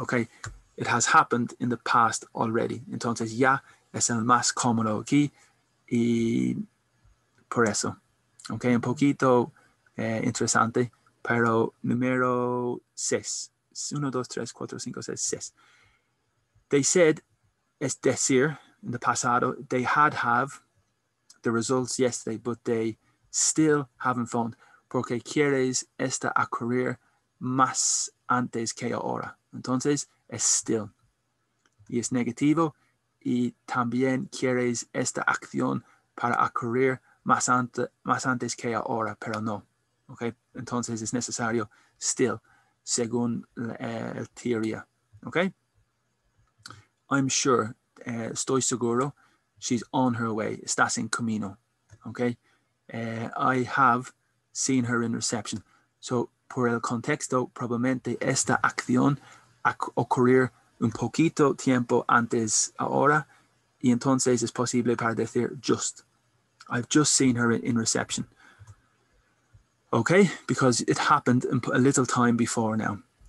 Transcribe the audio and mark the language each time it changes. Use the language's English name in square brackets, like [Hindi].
[English] Okay, it has happened in the past already. [Spanish] Entonces ya es el más cómodo aquí y por eso. [English] Okay, [Spanish] un poquito interesante, pero número 6. 1, 2, 3, 4, 5, 6, 6. [English] They said, [Spanish] es decir, [English] in the [Spanish] pasado, [English] they had have the results yesterday, but they still haven't phoned. [Spanish] Porque quieres esta ocurrir más antes que ahora. Entonces, es still. Y es negativo. Y también quieres esta acción para ocurrir más antes que ahora, pero no. [English] Okay? [Spanish] Entonces, es necesario still. Según la teoría, ¿ok? [English] I'm sure, [Spanish] estoy seguro, [English] she's on her way, [Spanish] estás en camino, [English] ¿ok? I have seen her in reception. So, [Spanish] por el contexto, probablemente esta acción ocurrir un poquito tiempo antes ahora, y entonces es posible para decir just. [English] I've just seen her in reception. Okay, because it happened a little time before now.